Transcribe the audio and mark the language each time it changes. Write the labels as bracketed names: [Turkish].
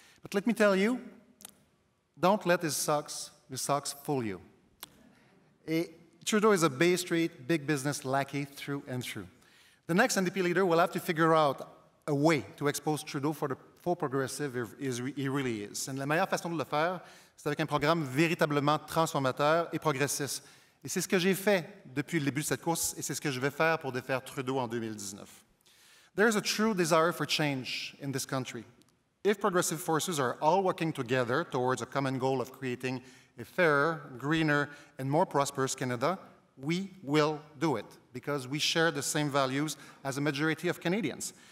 [English] But let me tell you, don't let his socks fool you. Trudeau is a Bay Street big business lackey through and through. The next NDP leader will have to figure out a way to expose Trudeau for the faux progressive he really is. [French] And la meilleure façon de le faire, c'est avec un programme véritablement transformateur et progressiste. Et c'est ce que j'ai fait depuis le début de cette course, et c'est ce que je vais faire pour défaire Trudeau en 2019. [English] There is a true desire for change in this country. If progressive forces are all working together towards a common goal of creating a fairer, greener, and more prosperous Canada, we will do it, because we share the same values as a majority of Canadians.